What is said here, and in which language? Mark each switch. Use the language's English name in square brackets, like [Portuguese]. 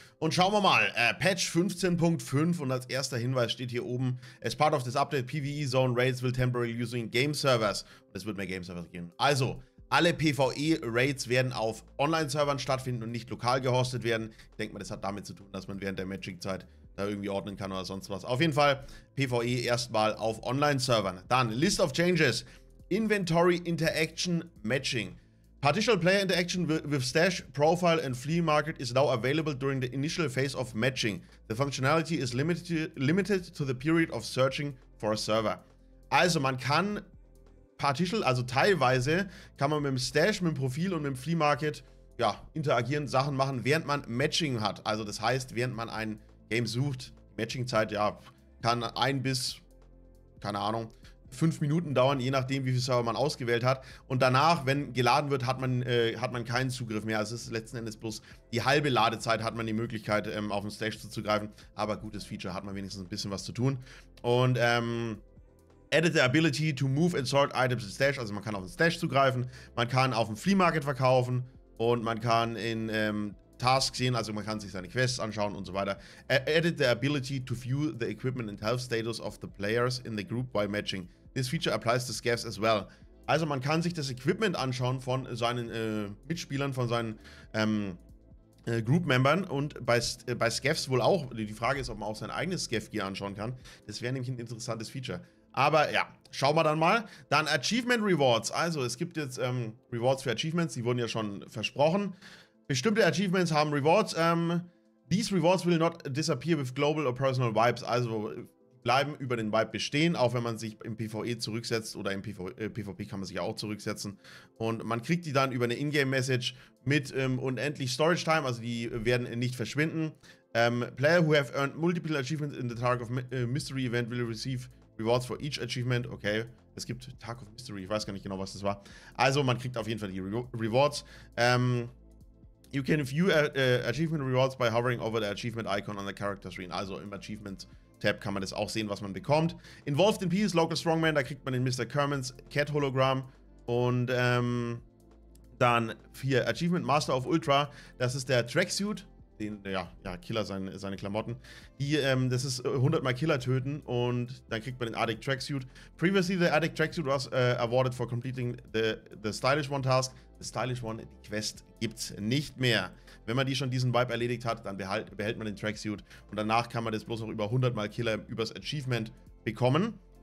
[German] Und schauen wir mal, Patch 15.5 und als erster Hinweis steht hier oben, [English] as part of this update, PvE Zone Raids will temporarily using Game Servers. [German] Es wird mehr Game Servers geben. Also, alle PvE Raids werden auf Online-Servern stattfinden und nicht lokal gehostet werden. Ich denke mal, das hat damit zu tun, dass man während der Magic-Zeit da irgendwie ordnen kann oder sonst was. Auf jeden Fall, PvE erstmal auf Online-Servern. [English] Dann, List of Changes. Inventory Interaction Matching. Partial Player Interaction with Stash, Profile and Flea Market is now available during the initial phase of matching. The functionality is limited to the period of searching for a server. [German] Also man kann Partial, also teilweise, kann man mit dem Stash, mit dem Profil und mit dem Flea Market ja, interagieren, Sachen machen, während man Matching hat. Also das heißt, während man ein Game sucht, Matching-Zeit, ja, kann ein bis, keine Ahnung, 5 Minuten dauern, je nachdem, wie viel Server man ausgewählt hat. Und danach, wenn geladen wird, hat man keinen Zugriff mehr. Also es ist letzten Endes bloß die halbe Ladezeit, hat man die Möglichkeit, auf den Stash zuzugreifen. Aber gutes Feature, hat man wenigstens ein bisschen was zu tun. [English] Und added the ability to move and sort items in Stash. [German] Also man kann auf den Stash zugreifen, man kann auf dem Flea Market verkaufen und man kann in Tasks sehen, also man kann sich seine Quests anschauen und so weiter. [English] Added the ability to view the equipment and health status of the players in the group by matching. This feature applies to scavs as well. [German] Also man kann sich das Equipment anschauen von seinen Mitspielern, von seinen Group-Membern und bei scavs wohl auch. Die Frage ist, ob man auch sein eigenes Scav-Gear anschauen kann. Das wäre nämlich ein interessantes Feature. Aber ja, schauen wir dann mal. Dann Achievement Rewards. Also es gibt jetzt Rewards für Achievements, die wurden ja schon versprochen. Bestimmte Achievements haben Rewards. [English] These Rewards will not disappear with global or personal Vibes. [German] Also bleiben über den Vibe bestehen, auch wenn man sich im PvE zurücksetzt oder im PvP kann man sich auch zurücksetzen. Und man kriegt die dann über eine Ingame-Message mit unendlich Storage Time. Also die werden nicht verschwinden. [English] Player who have earned multiple achievements in the Tag of Mystery Event will receive Rewards for each Achievement. [German] Okay. Es gibt Tag of Mystery. Ich weiß gar nicht genau, was das war. Also man kriegt auf jeden Fall die Rewards. [English] You can view Achievement Rewards by hovering over the Achievement Icon on the Character Screen. [German] Also im Achievement Tab kann man das auch sehen, was man bekommt. Involved in Peace, Local Strongman, da kriegt man den Mr. Kermans Cat Hologram. Und dann hier Achievement Master of Ultra, das ist der Tracksuit. Den, ja Killer, seine Klamotten. Die, das ist 100-mal Killer töten und dann kriegt man den Addict Tracksuit. [English] Previously the Addict Tracksuit was awarded for completing the Stylish One Task. [German] The Stylish One, die Quest gibt's nicht mehr. Wenn man die schon diesen Vibe erledigt hat, dann behält man den Tracksuit und danach kann man das bloß noch über 100-mal Killer übers Achievement bekommen.